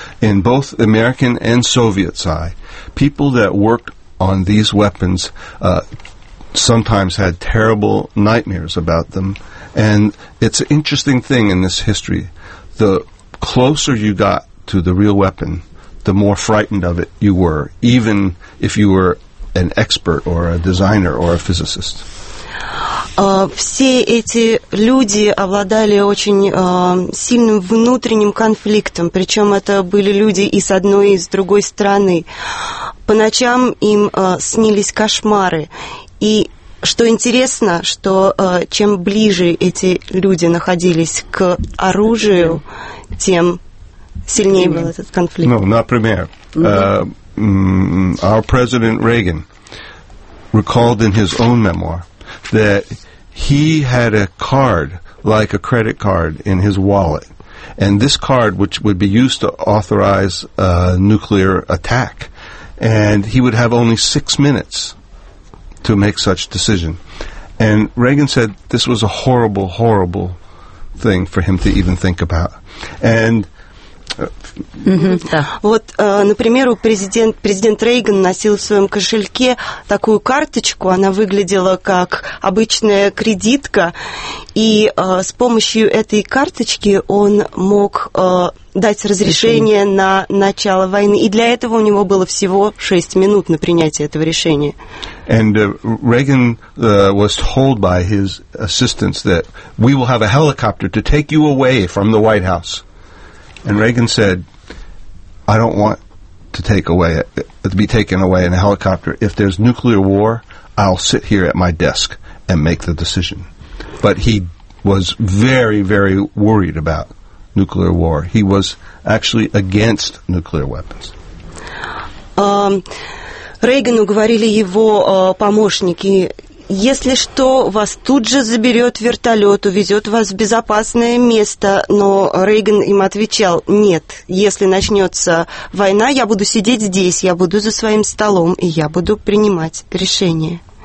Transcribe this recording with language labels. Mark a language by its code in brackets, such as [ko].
[en] In both American and Soviet side, people that worked on these weapons sometimes had terrible nightmares about them. And it's an interesting thing in this history. The closer you got to the real weapon, the more frightened of it you were, even if you were an expert or a designer or a physicist. [ru] Все эти люди обладали очень сильным внутренним конфликтом, причем это были люди и с одной, и с другой стороны. По ночам им снились кошмары. И что интересно, что чем ближе эти люди находились к оружию, тем сильнее был этот конфликт. Ну, например, [en] our president Reagan recalled in his own memoir that he had a card, like a credit card, in his wallet. And this card, which would be used to authorize a nuclear attack, and he would have only 6 minutes to make such decision. And Reagan said this was a horrible, horrible thing for him to even think about. And [ru] Вот, например, президент Рейган носил в своем кошельке такую карточку, она выглядела как обычная кредитка, и с помощью этой карточки он мог дать разрешение на начало войны, и для этого у него было всего 6 минут на принятие этого решения. [en] And Reagan was told by his assistants that we will have a helicopter to take you away from the White House. And Reagan said, I don't want to take away to be taken away in a helicopter. If there's nuclear war, I'll sit here at my desk and make the decision. But he was very, very worried about nuclear war. He was actually against nuclear weapons. [ru] Рейгану говорили его помощники, если что, вас тут же заберет вертолет, увезет вас в безопасное место. Но Рейган им отвечал, нет, если начнется война, я буду сидеть здесь, я буду за своим столом, и я буду принимать решение.